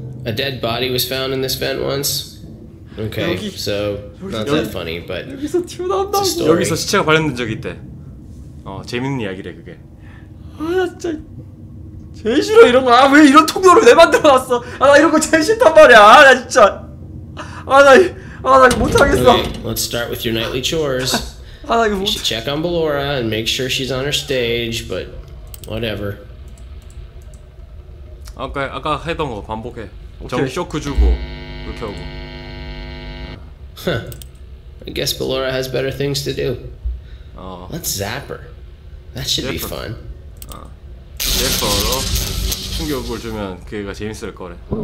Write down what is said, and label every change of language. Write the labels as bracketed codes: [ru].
[en] A dead body was found in this vent once. Okay. [ko] 여기, [en] so, not that funny, but [ko] 여기서 튀어나온다. 여기서 시체가 발견된 적이 있대. 어, 재밌는 이야기래 그게. 아, 진짜 제일 싫어 이런 거. 아, 왜 이런 통로를 왜 만들어 놨어? 아, 나 이런 거 제일 싫단 말이야. 아, 나 진짜. 아, 나 못하겠어. [en] Okay, let's start with your nightly chores. You should check on Ballora and make sure she's on her stage, but whatever. [ko] 아까 했던 거 반복해. 정 쇼크 주고 이렇게 하고. [en] I guess Ballora has better things to do. [ko] 어. [en] Let's zap her. That should be fun. [ko] 제퍼로 충격을 주면 그게가 재밌을 거래.